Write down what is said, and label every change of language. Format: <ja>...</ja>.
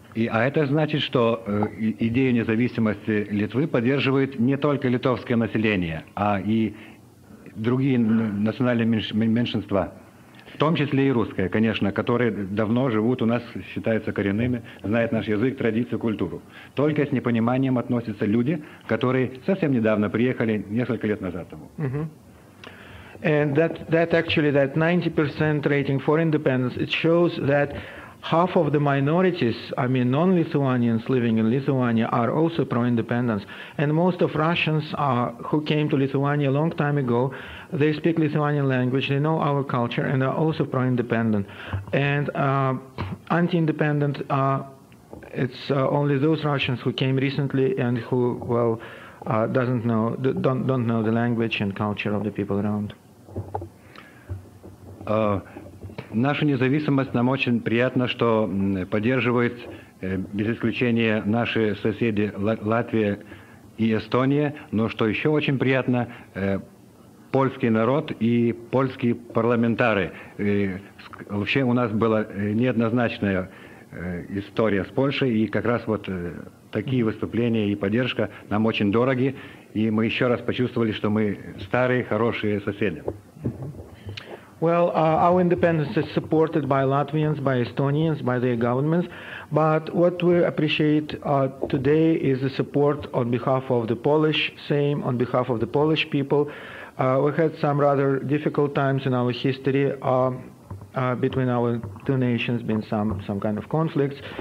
<ru>А это значит, что идею независимости Литвы поддерживает не только литовское население, а и другие национальные меньшинства. В том числе и русская, конечно, которые давно живут у нас, считаются коренными, знают наш язык, традицию, культуру. Только с непониманием относятся люди, которые совсем недавно приехали, несколько лет назад тому.</ru> <en>And that actually that 90% rating for independence, it shows that half of the minorities, I mean non-Lithuanians living in Lithuania, are also pro-independence. And most of Russians are, who came to Lithuania a long time ago, they speak Lithuanian language, they know our culture, and are also pro-independent. And anti-independent, it's only those Russians who came recently and who, well, don't know the language and culture of the people around.</en> <ru>Наша независимость, нам очень приятно, что поддерживают без исключения наши соседи Латвия и Эстония, но что еще очень приятно, польский народ и польские парламентары. И вообще у нас была неоднозначная история с Польшей, и как раз вот такие выступления и поддержка нам очень дороги, и мы еще раз почувствовали, что мы старые, хорошие соседи.</ru> <en>Well, our independence is supported by Latvians, by Estonians, by their governments. But what we appreciate today is the support on behalf of the Polish Sejm, on behalf of the Polish people. We had some rather difficult times in our history between our two nations, been some kind of conflicts.</en>